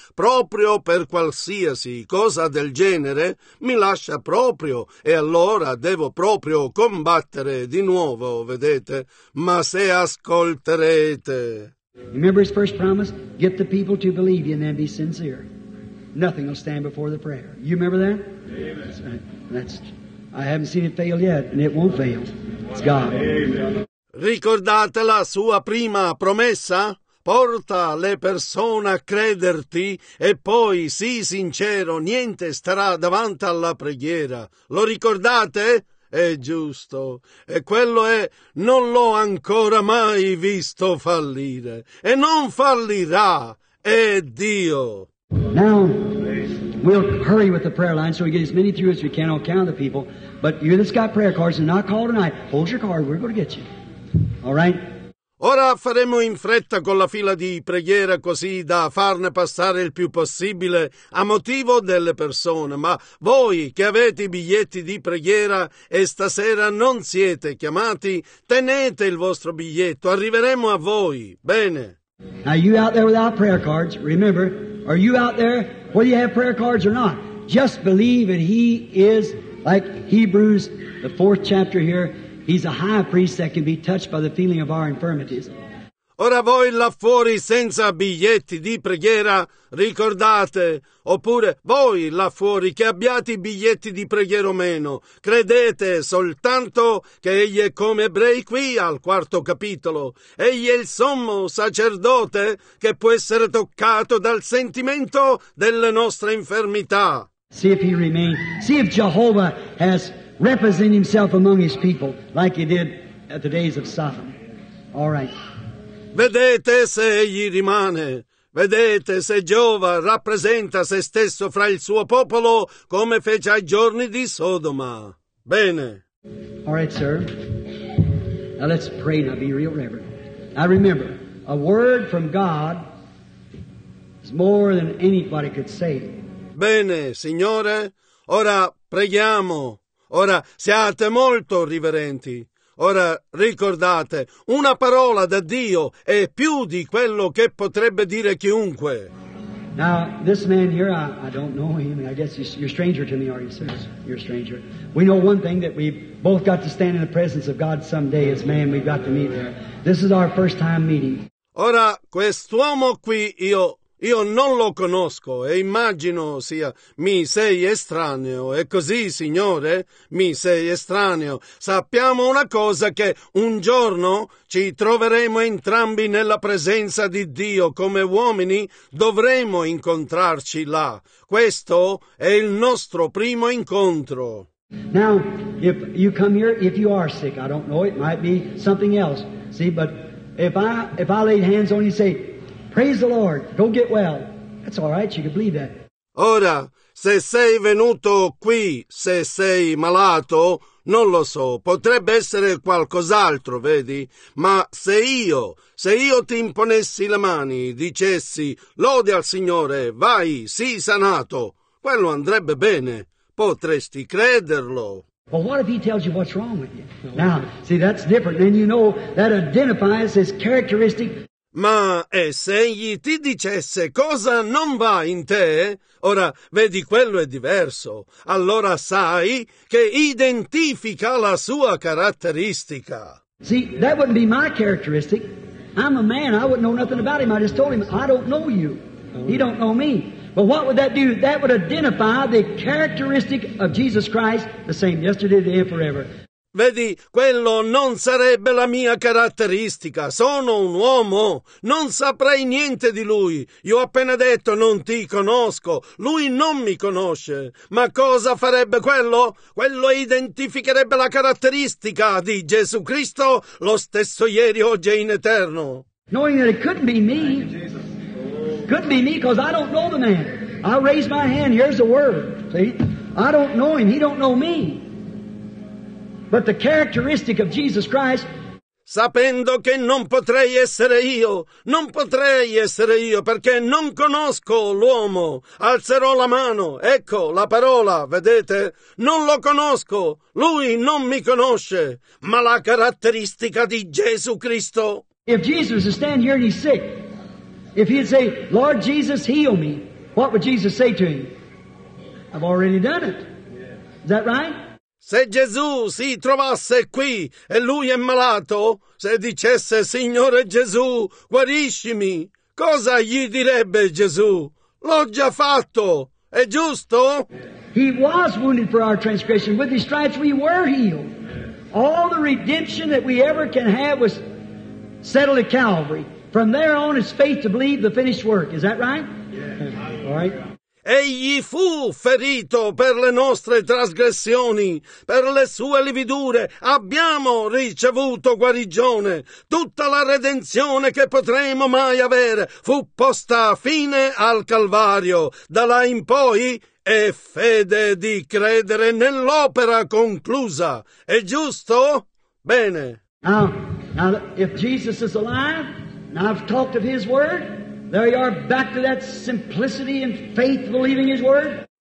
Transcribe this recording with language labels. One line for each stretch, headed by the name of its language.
Italian: Proprio per qualsiasi cosa del genere, mi lascia proprio, e allora devo proprio combattere di nuovo, vedete? Ma se ascolterete.
English: Remember his first promise? Get the people to believe you and then be sincere. Nothing will stand before the prayer. You remember that? Amen. I haven't seen it fail yet, and it won't fail. It's God. Amen.
Italian: Ricordate la sua prima promessa? porta le persone a crederti e poi, sii sincero, niente starà davanti alla preghiera. Lo ricordate? È giusto. E quello è, non l'ho ancora mai visto fallire. E non fallirà. È Dio.
English: Now, we'll hurry with the prayer line so we get as many through as we can on count of the people. But you that's got prayer cards and not called tonight, hold your card, we're going to get you. All right?
Italian: Ora faremo in fretta con la fila di preghiera così da farne passare il più possibile a motivo delle persone, ma voi che avete i biglietti di preghiera e stasera non siete chiamati, tenete il vostro biglietto, arriveremo a voi, bene.
English: Now you out there without prayer cards, remember, are you out there, whether you have prayer cards or not, just believe that he is like Hebrews, the fourth chapter here. He's a high priest that can be touched by the feeling of our infirmities.
Italian: Ora voi là fuori senza biglietti di preghiera, ricordate, oppure voi là fuori che abbiate i biglietti di preghiera o meno, credete soltanto che egli è come ebrei qui al quarto capitolo. Egli è il sommo sacerdote che può essere toccato dal sentimento delle nostre infermità.
English: See if he remains. See if Jehovah has represent himself among his people like he did at the days of Sodom. All right.
Italian: Vedete se egli rimane. Vedete se Giova rappresenta se stesso fra il suo popolo come fece ai giorni di Sodoma. Bene.
English: All right, sir. Now let's pray and be real reverent. Now remember, a word from God is more than anybody could say.
Italian: Bene, signore. Ora preghiamo. Ora siate molto riverenti. Ora ricordate, una parola da Dio è più di quello che potrebbe dire chiunque.
English: Now, this man here, I don't know him. I guess you're a stranger to me, are you, sir? You're a stranger. We know one thing, that we both got to stand in the presence of God someday as man. We've got to meet there. This is our first time meeting.
Italian: Ora, quest'uomo qui, io non lo conosco e immagino sia, mi sei estraneo, è così, signore? Mi sei estraneo. Sappiamo una cosa, che un giorno ci troveremo entrambi nella presenza di Dio come uomini, dovremo incontrarci là. Questo è il nostro primo incontro.
English: Now, if you come here, if you are sick, I don't know, it might be something else. See, but if I lay hands on you and say, praise the Lord, go get well. That's all right, you can believe that.
Italian: Ora, se sei venuto qui, se sei malato, non lo so, potrebbe essere qualcos'altro, vedi? Ma se io ti imponessi le mani, dicessi, lode al Signore, vai, sii sanato, quello andrebbe bene, potresti crederlo.
English: Well, what if he tells you what's wrong with you? Now, see, that's different, and you know, that identifies his characteristic.
Italian: Ma e se egli ti dicesse cosa non va in te? Ora, vedi, quello è diverso. Allora sai che identifica la sua caratteristica.
English: See, that wouldn't be my characteristic. I'm a man, I wouldn't know nothing about him. I just told him, I don't know you. He don't know me. But what would that do? That would identify the characteristic of Jesus Christ, the same yesterday, today, and forever.
Italian: Vedi, quello non sarebbe la mia caratteristica. Sono un uomo. Non saprei niente di lui. Io ho appena detto, non ti conosco. Lui non mi conosce. Ma cosa farebbe quello? Quello identificherebbe la caratteristica di Gesù Cristo, lo stesso ieri, oggi e in eterno.
English: Knowing that it couldn't be me. Couldn't be me, because I don't know the man. I raise my hand, here's the word. See? I don't know him, he don't know me. But the characteristic of Jesus Christ.
Italian: Sapendo che non potrei essere io, non potrei essere io, perché non conosco l'uomo. Alzerò la mano, ecco la parola, vedete? Non lo conosco, lui non mi conosce, ma la caratteristica di Gesù Cristo.
English: If Jesus would stand here and he's sick, if he'd say, Lord Jesus, heal me, what would Jesus say to him? I've already done it. Is that right?
Italian: Se Gesù si trovasse qui e lui è malato, se dicesse, Signore Gesù, guariscimi, cosa gli direbbe Gesù? L'ho già fatto, è giusto?
English: He was wounded for our transgression. With his stripes we were healed. All the redemption that we ever can have was settled at Calvary. From there on is faith to believe the finished work. Is that right? Yeah. All right.
Italian: Egli fu ferito per le nostre trasgressioni, per le sue lividure. Abbiamo ricevuto guarigione. Tutta la redenzione che potremo mai avere fu posta fine al Calvario. Da là in poi è fede di credere nell'opera conclusa. È giusto? Bene.
English: Now, if Jesus is alive, and I've talked of his word, there you are, back to that simplicity and faith believing his word.